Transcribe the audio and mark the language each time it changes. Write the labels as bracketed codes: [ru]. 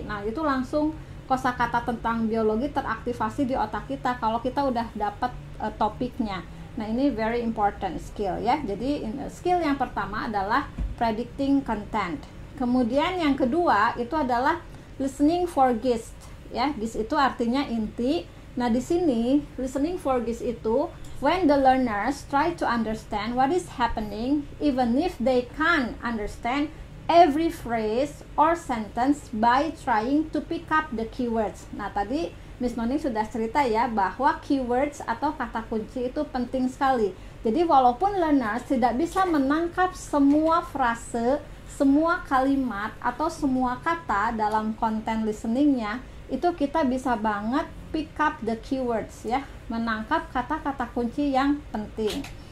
[id] Nah, itu langsung kosakata tentang biologi teraktivasi di otak kita kalau kita udah dapat topiknya. Nah, ini [en] very important skill [id] ya. Jadi, skill yang pertama adalah predicting content. Kemudian yang kedua itu adalah listening for gist ya. Gist itu artinya inti. Nah, di sini [en] listening for gist itu when the learners try to understand what is happening even if they can't understand every phrase or sentence by trying to pick up the keywords. [id] Nah, tadi Miss Noni sudah cerita ya bahwa keywords atau kata kunci itu penting sekali. Jadi walaupun learners tidak bisa menangkap semua frase, semua kalimat atau semua kata dalam konten listeningnya, itu kita bisa banget [en] pick up the keywords [id] ya, menangkap kata-kata kunci yang penting.